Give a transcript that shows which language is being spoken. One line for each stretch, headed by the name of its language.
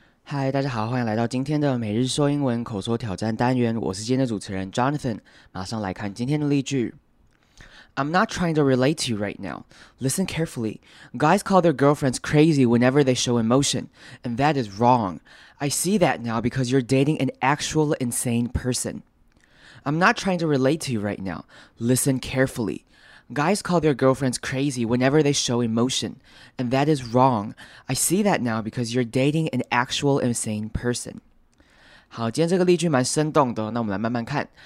Chinese: 嗨，大家好，欢迎来到今天的每日说英文口说挑战单元。我是今天的主持人 Jonathan。马上来看今天的例句。
English: I'm not trying to relate to you right now. Listen carefully. Guys call their girlfriends crazy whenever they show emotion, and that is wrong. I see that now because you're dating an actual insane person. I'm not trying to relate to you right now. Listen carefully. Guys call their girlfriends crazy whenever they show emotion, and that is wrong. I see that now because you're dating an actual insane person.
Chinese: 好，今天这个例句蛮生动的，那我们来慢慢看。